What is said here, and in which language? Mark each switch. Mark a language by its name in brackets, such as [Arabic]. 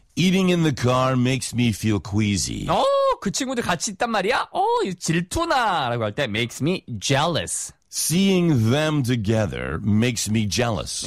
[English] Eating in the car makes me feel queasy. [Korean] 그 친구들 같이 있단 말이야? 질투나! 라고 할 때 makes me jealous. [English] Seeing them together makes me jealous.